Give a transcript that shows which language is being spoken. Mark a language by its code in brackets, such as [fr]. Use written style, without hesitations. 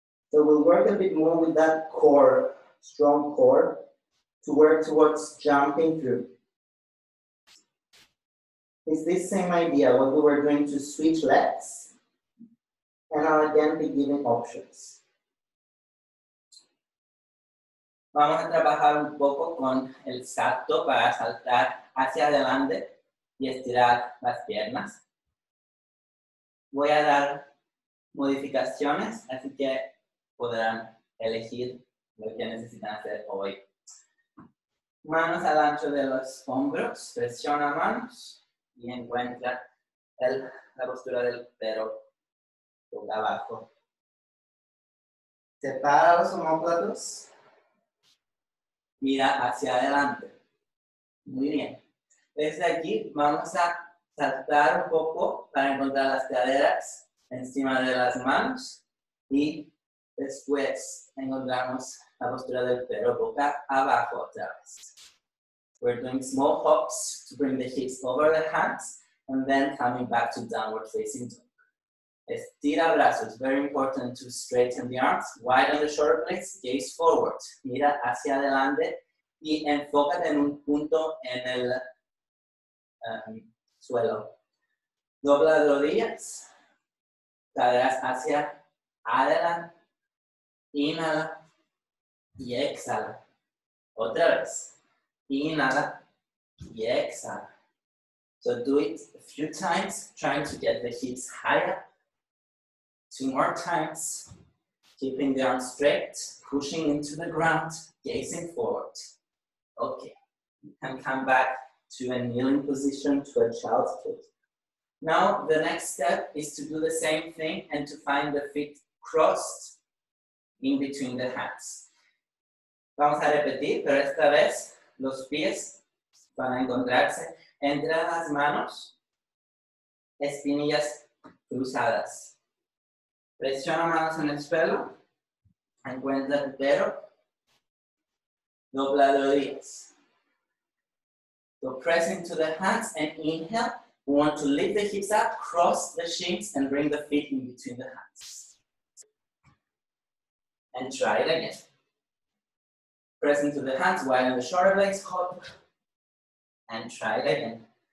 [en] So we'll work a bit more with that core, strong core, to work towards jumping through. It's this same idea, what we were doing to switch legs, and I'll again be giving options. [es] Vamos a trabajar un poco con el salto para saltar hacia adelante y estirar las piernas. Voy a dar modificaciones, así que podrán elegir lo que necesitan hacer hoy. Manos al ancho de los hombros, presiona manos y encuentra la postura del perro boca abajo. Separa los homóplatos. Mira hacia adelante. Muy bien. Desde aquí vamos a saltar un poco para encontrar las caderas encima de las manos y después encontramos la postura del pelo boca abajo otra vez. [en] We're doing small hops to bring the hips over the hands and then coming back to downward facing dog. [es] Estira brazos, [en] it's very important to straighten the arms. Widen the shoulder blades, gaze forward. [es] Mira hacia adelante y enfócate en un punto en el suelo. Dobla rodillas, caderas hacia adelante, inhala y exhala. Otra vez, inhala y exhala. [en] So do it a few times, trying to get the hips higher. Two more times, keeping the arms straight, pushing into the ground, gazing forward. Okay, you can come back to a kneeling position, to a child's pose. Now, the next step is to do the same thing and to find the feet crossed in between the hands. [es] Vamos a repetir, pero esta vez los pies van a encontrarse entre las manos, espinillas cruzadas. Presiona manos en el suelo, encuentra el pelo, dobla rodillas. [en] So press into the hands and inhale. We want to lift the hips up, cross the shins, and bring the feet in between the hands. And try it again. Press into the hands, widen the shoulder blades, hop. And try it again.